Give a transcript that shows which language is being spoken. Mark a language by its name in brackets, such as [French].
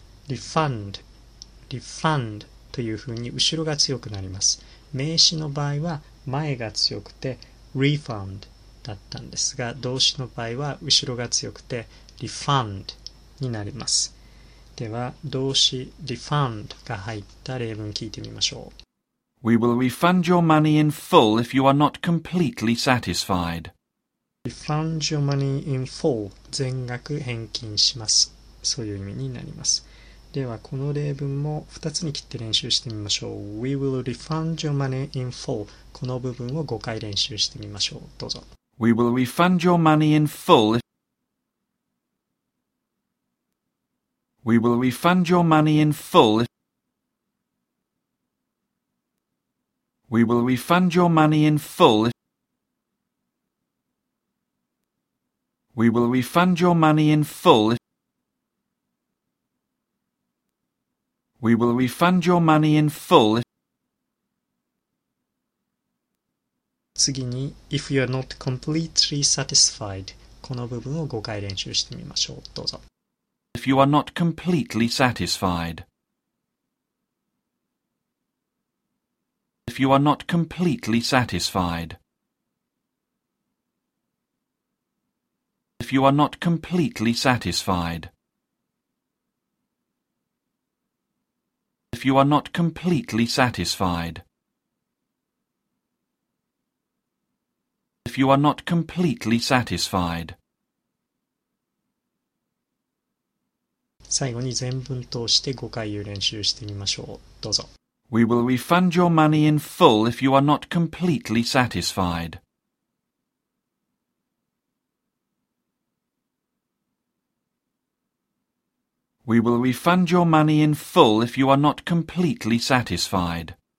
[Japanese] Refund、Refund というふうに後ろが強くなります。名詞の場合は前が強くて Refund だったんですが、動詞の場合は後ろが強くて Refund になります。では動詞 refund が入った例文聞いてみましょう。 [English] We will refund your money in full if you are not completely satisfied. Refund your money in full [Japanese] 全額返金します。そういう意味になります。ではこの例文も2つに切って練習してみましょう。 [English] We will refund your money in full [Japanese] この部分を5回練習してみましょう。どうぞ。 [English] We will refund your money in fullWe will refund your money in full. We will refund your money in full. We will refund your money in full. We will refund your money in full. [Japanese] 次に、 [English] if you are not completely satisfied, [Japanese] この部分を5回練習してみましょう。どうぞ。 [English] If you are not completely satisfied. If you are not completely satisfied. If you are not completely satisfied. If you are not completely satisfied. If you are not completely satisfied. [Japanese] 最後に全文通して5回言う練習してみましょう。どうぞ。 [English] We will refund your money in full if you are not completely satisfied. We will refund your money in full if you are not completely satisfied.